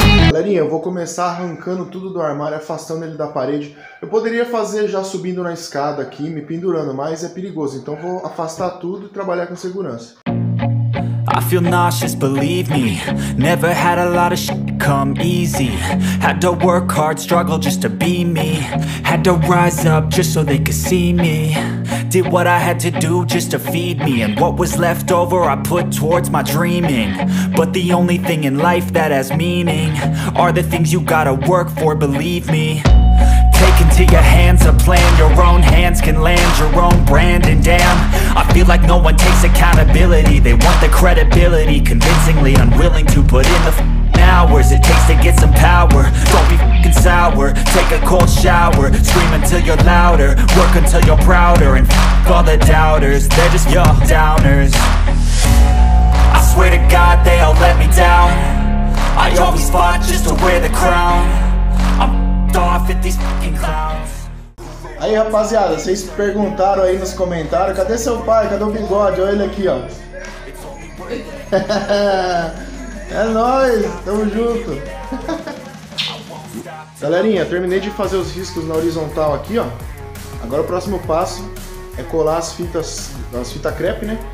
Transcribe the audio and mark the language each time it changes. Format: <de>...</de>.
<pt>Galerinha, eu vou começar arrancando tudo do armário, afastando ele da parede. Eu poderia fazer já subindo na escada aqui, me pendurando, mas é perigoso. Então vou afastar tudo e trabalhar com segurança.</pt> <en>I feel nauseous, believe me. Never had a lot of shit come easy. Had to work hard, struggle just to be me. Had to rise up just so they could see me. Did what I had to do just to feed me. And what was left over I put towards my dreaming. But the only thing in life that has meaning are the things you gotta work for, believe me. Take into your hands a plan. Your own hands can land your own brand. And damn, I feel like no one takes accountability. They want the credibility, convincingly unwilling to put in the f hours it takes to get some power. Don't be f***ing sour, take a cold shower. Scream until you're louder, work until you're prouder. And f*** all the doubters, they're just your downers. I swear to God they all let me down. I always fought just to wear the crown. I'm f***ed off at these f***ing clowns.</en> <pt>Aí rapaziada, vocês perguntaram aí nos comentários, cadê seu pai, cadê o bigode, olha ele aqui, ó. É nóis, tamo junto. Galerinha, terminei de fazer os riscos na horizontal aqui, ó. Agora o próximo passo é colar as fitas crepe, né?</pt>